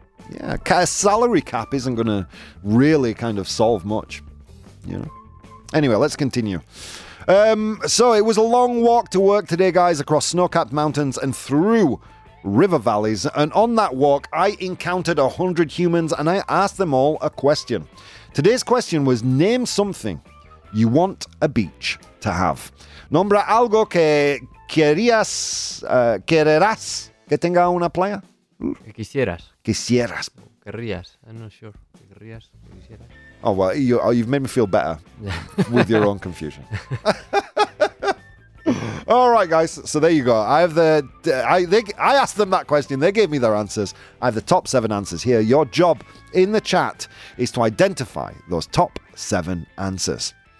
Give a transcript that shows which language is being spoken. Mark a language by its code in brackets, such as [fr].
[en] Yeah, a salary cap isn't going to really kind of solve much, you know. Anyway, let's continue. So it was a long walk to work today, guys, across snow-capped mountains and through river valleys. And on that walk, I encountered 100 humans and I asked them all a question. Today's question was, name something you want a beach to have. [es] Nombra algo que querías, quererás que tenga una playa. Que quisieras. Quisieras. Querrías. [en] I'm not sure. [es] Querrías. Quisieras. [en] Oh, well, you've made me feel better with your own confusion. All right, guys. So there you go. I asked them that question. They gave me their answers. I have the top 7 answers here. Your job in the chat is to identify those top 7 answers.